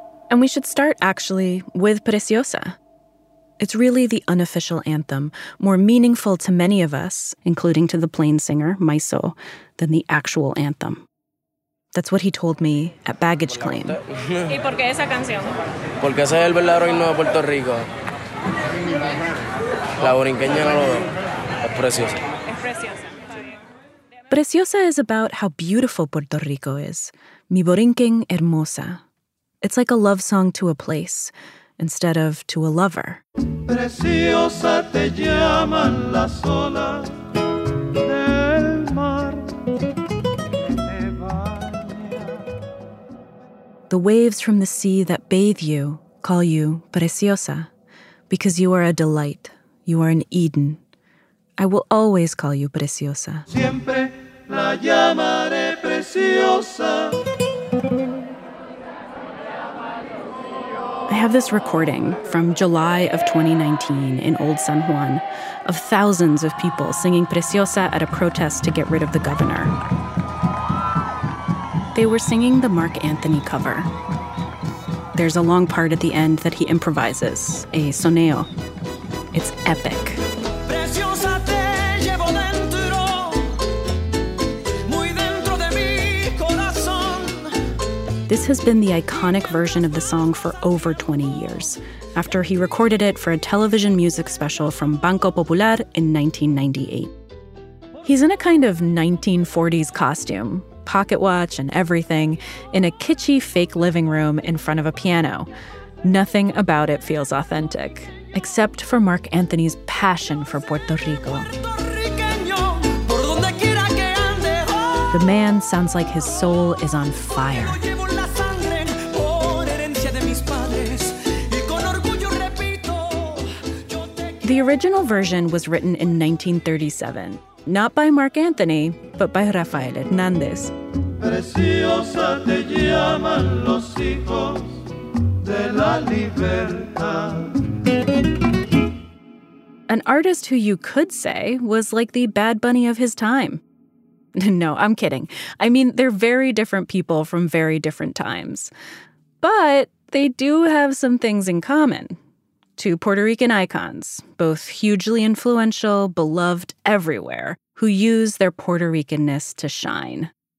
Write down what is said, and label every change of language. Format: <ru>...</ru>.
<en>And we should start, actually, with Preciosa. It's really the unofficial anthem, more meaningful to many of us, including to the plain singer, Maiso, than the actual anthem. That's what he told me at baggage claim.</en> <es>¿Y por qué esa canción? Porque ese es el verdadero himno de Puerto Rico. La borinqueña no lo ve. Es preciosa. Es preciosa.</es> <en>Preciosa is about how beautiful Puerto Rico is.</en> <es>Mi borinquen hermosa.</es> <en>It's like a love song to a place instead of to a lover.</en> <es>Preciosa te llaman la sola del mar.</es> <en>The waves from the sea that bathe you call you Preciosa because you are a delight. You are an Eden. I will always call you Preciosa.</en> <es>Siempre la llamaré Preciosa.</es> <en>I have this recording from July of 2019 in Old San Juan of thousands of people singing Preciosa at a protest to get rid of the governor. They were singing the Mark Anthony cover. There's a long part at the end that he improvises, a soneo. It's epic.</en> <es>Preciosa te llevo dentro, muy dentro de mi corazón.</es> <en>This has been the iconic version of the song for over 20 years, after he recorded it for a television music special from Banco Popular in 1998. He's in a kind of 1940s costume, pocket watch and everything, in a kitschy fake living room in front of a piano. Nothing about it feels authentic, except for Mark Anthony's passion for Puerto Rico. The man sounds like his soul is on fire. The original version was written in 1937, not by Mark Anthony, but by Rafael Hernandez.</en> <es>Preciosa te llaman los hijos de la libertad.</es> <en>An artist who you could say was like the Bad Bunny of his time. No, I'm kidding. I mean, they're very different people from very different times. But they do have some things in common. Two Puerto Rican icons, both hugely influential, beloved everywhere, who use their Puerto Ricanness to shine.</en>